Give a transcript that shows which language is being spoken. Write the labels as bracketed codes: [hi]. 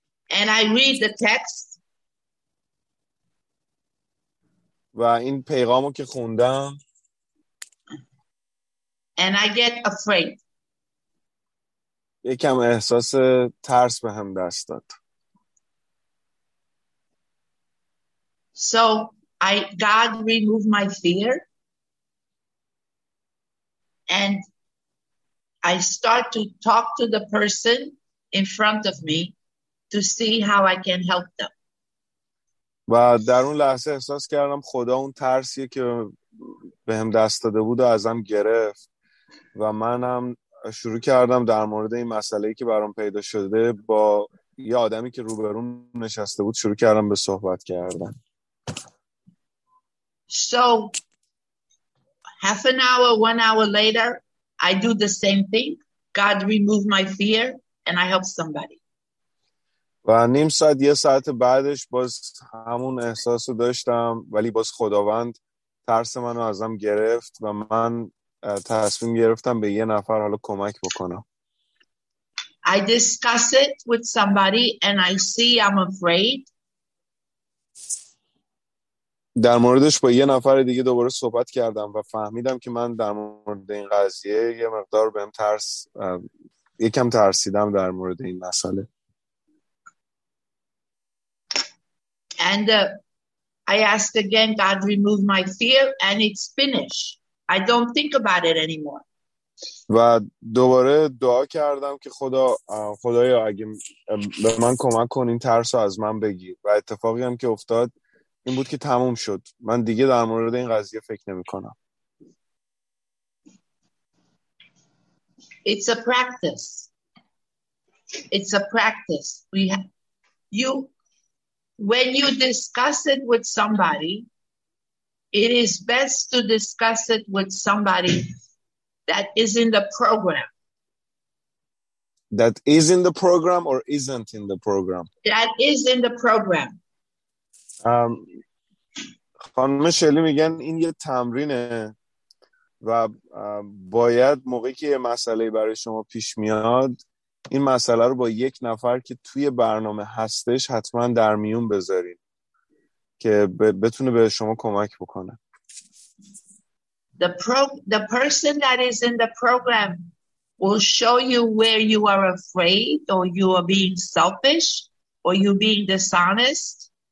[en] And I read the text. [fa] و این پیغامو که خوندم. [en] And I get afraid. [fa] یکم احساس ترس به هم دست داد. [en] So I God removed my fear and I start to talk to the person in front of me to see how I can help them. [fa] و در اون لحظه احساس کردم خدا اون ترسیه که به هم دست داده بود و ازم گرفت و منم شروع کردم در مورد این مسئله‌ای که برام پیدا شده با یه آدمی که روبروم نشسته بود شروع کردم به صحبت کردن. [en] So half an hour, one hour later, I do the same thing. God removed my fear and I helped somebody. [fa] و نیم ساعت یه ساعت بعدش باز همون احساس رو داشتم ولی باز خداوند ترس منو ازم گرفت و من تصمیم گرفتم به یه نفر حالا کمک بکنم. [en] I discuss it with somebody and I see I'm afraid. [fa] در موردش با یه نفر دیگه دوباره صحبت کردم و فهمیدم که من در مورد این قضیه یه مقدار بهم ترس یکم ترسیدم در مورد این مسئله. [en] And I asked again, God remove my fear and it's finished. I don't think about it anymore. [fa] و دوباره دعا کردم که خدایا اگه به من کمک کن این ترس رو از من بگیر و اتفاقی هم که افتاد این بود که تموم شد. من دیگه در مورد این قضیه فکر نمی کنم. [en] It's a practice. It's a practice. We have, you, when you discuss it with somebody, it is best to discuss it with somebody that is in the program. That is in the program or isn't in the program? That is in the program. [fa] خانم شلی میگن این یه تمرینه و باید موقعی که یه مسئله برای شما پیش میاد این مسئله رو با یک نفر که توی برنامه هستش حتما در میون بذارین که بتونه به شما کمک بکنه. [en] The person that is in the program will show you where you are afraid or you are being selfish or you being dishonest.